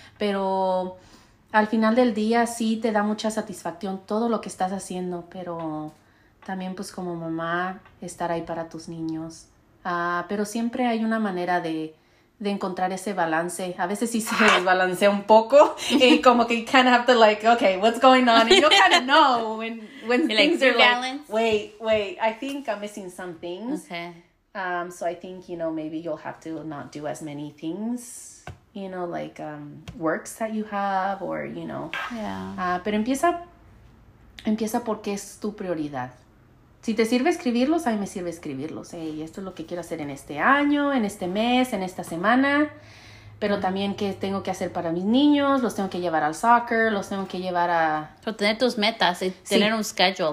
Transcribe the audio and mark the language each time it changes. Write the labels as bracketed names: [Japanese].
[Spanish] Pero al final del día sí te da mucha satisfacción todo lo que estás haciendo, pero también pues como mamá estar ahí para tus niños. Pero siempre hay una manera de encontrar ese balance. A veces sí se desbalancea un poco y como que [English] you kind of have to like, okay, what's going on? And you don't kind of know when you things like, are balance. Like, wait, I think I'm missing some things. Okay. So I think, you know, maybe you'll have to not do as many things. You know, like works that you have or, you know. Yeah. [Spanish] Pero empieza porque es tu prioridad. Si te sirve escribirlos, a mí me sirve escribirlos. Hey, esto es lo que quiero hacer en este año, en este mes, en esta semana. Pero mm-hmm. también qué tengo que hacer para mis niños. Los tengo que llevar al soccer. Los tengo que llevar a... Pero tener tus metas y tener sí. un schedule.